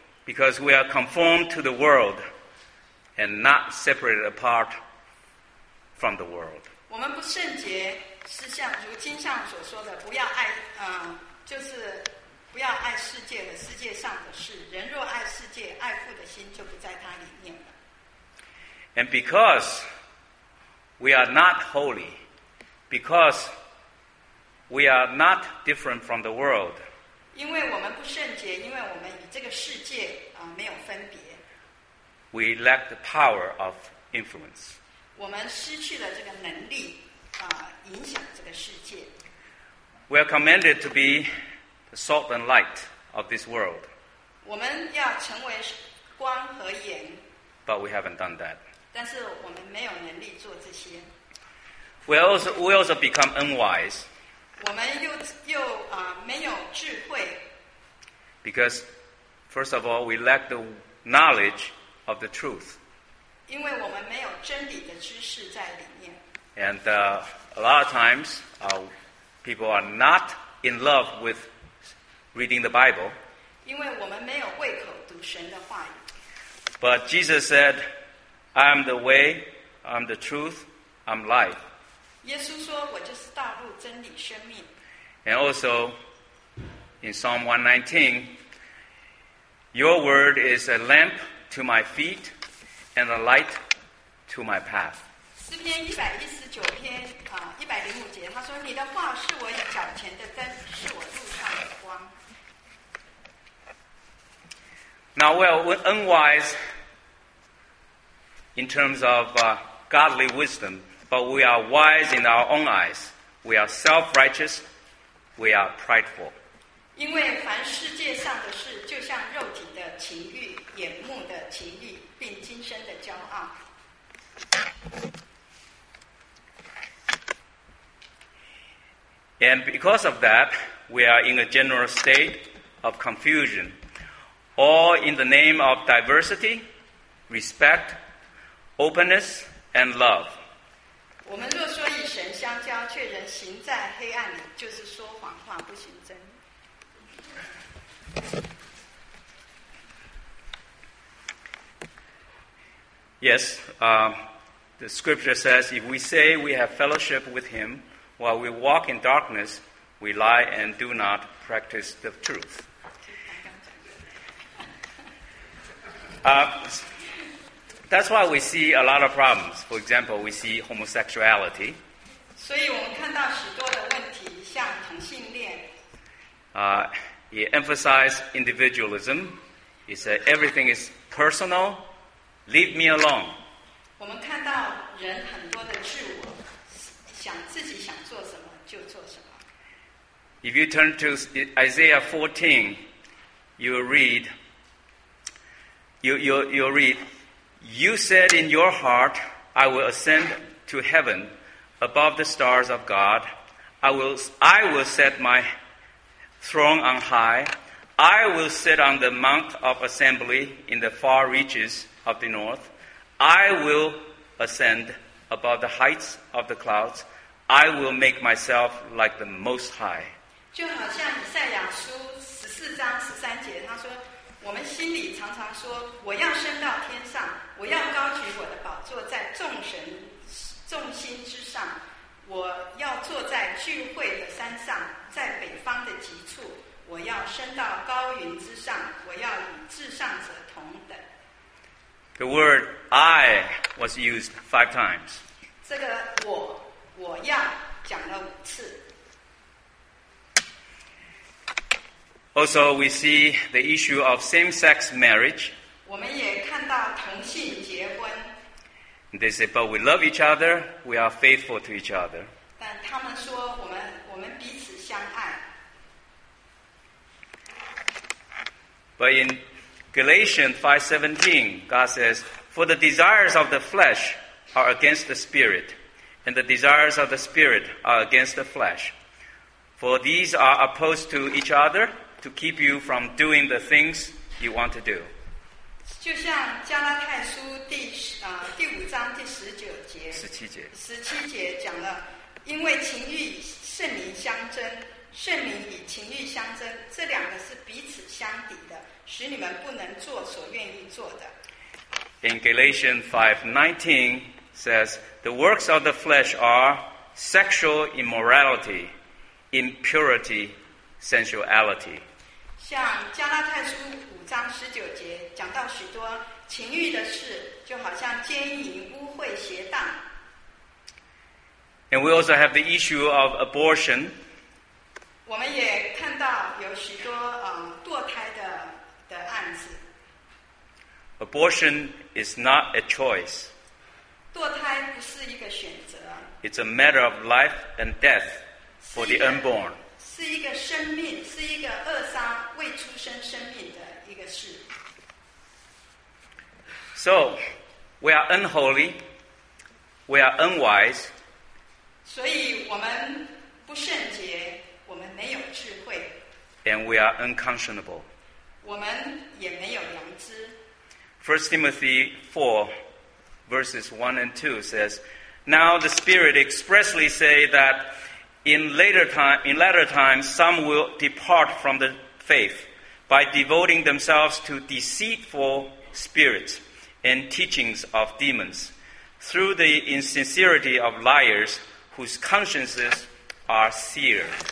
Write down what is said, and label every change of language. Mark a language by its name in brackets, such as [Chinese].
[English] Because we are conformed to the world and not separated apart from the world. [Chinese] 我们不圣洁，是像如经上所说的，不要爱，就是不要爱世界和世界上的事。人若爱世界，爱父的心就不在他里面了。 [English] And because we are not holy, because we are not different from the world. [Chinese] 因为我们不圣洁，因为我们与这个世界没有分别。 [English] We lack the power of influence. [Chinese] 我们失去了这个能力影响这个世界。 [English] We are commanded to be the salt and light of this world. [Chinese] 我们要成为光和盐。 [English] But we haven't done that. [Chinese] 但是我们没有能力做这些。 [English] We also become unwise. [Chinese] 我们又没有智慧。 [English] Because, first of all, we lack the knowledge of the truth. [Chinese] 因为我们没有真理的知识在里面。 [English] And a lot of times, people are not in love with reading the Bible. [Chinese] 因为我们没有胃口读神的话语。 [English] But Jesus said, I am the way, I am the truth, I am life. [Chinese] 耶稣说，我就是道路、真理、生命。 [English] And also, in Psalm 119, your word is a lamp to my feet and a light to my path. [Chinese] 诗篇一百一十九篇一百零五节，他说：“你的话是我脚前的灯，是我路上的光。” [English] Now, well, unwise in terms of godly wisdom, but we are wise in our own eyes. We are self-righteous. We are prideful. [Chinese] 因为凡世界上的事，就像肉体的情欲、眼目的情欲，并今生的骄傲。 [English] And because of that, we are in a general state of confusion. All in the name of diversity, respect, openness, and love. [Chinese] 我们若说与神相交，却仍行在黑暗里，就是说谎话，不行真。 [English] Yes, the scripture says, if we say we have fellowship with him, while we walk in darkness, we lie and do not practice the truth. That's why we see a lot of problems. For example, we see homosexuality. [Chinese] 所以我们看到许多的问题，像同性恋。 [English] It emphasizes individualism. It says everything is personal. Leave me alone. [Chinese] 我们看到人很多的自我，想自己想做什么就做什么。 [English] If you turn to Isaiah 14, you'll read, you said in your heart, I will ascend to heaven above the stars of God. I will set my throne on high. I will sit on the mount of assembly in the far reaches of the north. I will ascend above the heights of the clouds. I will make myself like the Most High. [Chinese] 就好像以赛亚书十四章十三节，他说：“我们心里常常说，我要升到天上，我要高举我的宝座在众神众星之上，我要坐在聚会的山上，在北方的极处，我要升到高云之上，我要与至上者同等。” [English] The word "I" was used 5 times. [Chinese] 这个我要讲了五次。 [English] Also, we see the issue of same-sex marriage. [Chinese] 我们也看到同性结婚。 [English] They say, "But we love each other. We are faithful to each other." [Chinese] 但他们说我们彼此相爱。 [English] But in Galatians 5:17, God says, "For the desires of the flesh are against the spirit, and the desires of the spirit are against the flesh. For these are opposed to each other to keep you from doing the things you want to do." [Chinese] 就像加拉太书第五章第十九节十七节讲了，因为情欲与圣灵相争，圣灵与情欲相争，这两个是彼此相抵的，使你们不能做所愿意做的。 [English] In Galatians 5:19 says, the works of the flesh are sexual immorality, impurity, sensuality. [Chinese] 像加拉太书五章十九节讲到许多情欲的事，就好像奸淫、污秽、邪荡。 [English] And we also have the issue of abortion. [Chinese] 我们也看到有许多堕胎的案子。 [English] Abortion is not a choice. [Chinese] 堕胎不是一个选择。 [English] It's a matter of life and death for the unborn. [Chinese] 是一个生命，是一个扼杀未出生生命的一个事。 [English] So, we are unholy, we are unwise. [Chinese] 所以我们不圣洁，我们没有智慧。 [English] And we are unconscionable. [Chinese] 我们也没有良知。 [English] First Timothy 4, verses 1 and 2 says, Now the Spirit expressly say that in latter times some will depart from the faith by devoting themselves to deceitful spirits and teachings of demons through the insincerity of liars whose consciences are seared.